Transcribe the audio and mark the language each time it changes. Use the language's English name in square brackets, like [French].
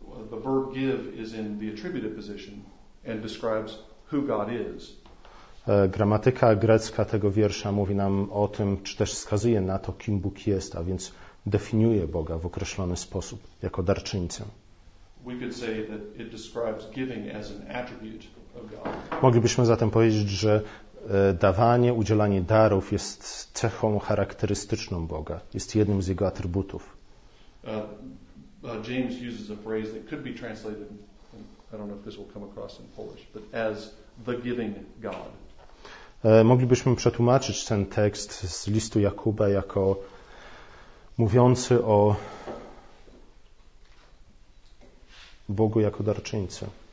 [English] The verb give is in the attributive position and describes who God is. [Polish] Gramatyka grecka tego wiersza mówi nam o tym, czy też wskazuje na to, kim Bóg jest, a więc definiuje Boga w określony sposób jako darczyńcę. [English] We could say that it describes giving as an attribute of God. [Polish] Moglibyśmy zatem powiedzieć, że dawanie, udzielanie darów jest cechą charakterystyczną Boga, jest jednym z jego atrybutów. [English] James uses a phrase that could be translated, I don't know if this will come across in Polish, but as the giving God. [Polish] Moglibyśmy przetłumaczyć ten tekst z listu Jakuba jako mówiący o Bogu jako darczyńcy.